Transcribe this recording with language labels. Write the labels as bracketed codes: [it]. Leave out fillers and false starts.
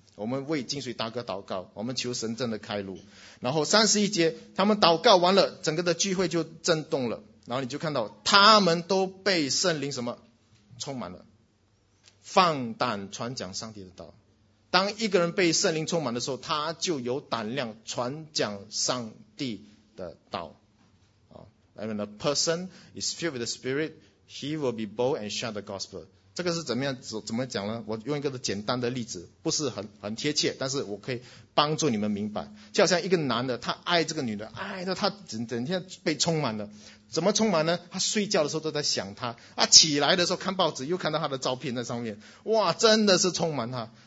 [zh] 我们为金水大哥祷告，我们求神真的开路。然后31节，他们祷告完了，整个的聚会就震动了，然后你就看到他们都被圣灵什么充满了，放胆传讲上帝的道。当一个人被圣灵充满的时候，他就有胆量传讲上帝的道。 [en] When a person is filled with the Spirit, he will be bold and share the gospel. [zh] 这个是怎么讲呢？我用一个简单的例子，不是很贴切，但是我可以帮助你们明白。就好像一个男的，他爱这个女的，爱到他整天被充满了。怎么充满呢？他睡觉的时候都在想他，起来的时候看报纸又看到他的照片在上面，哇，真的是充满他。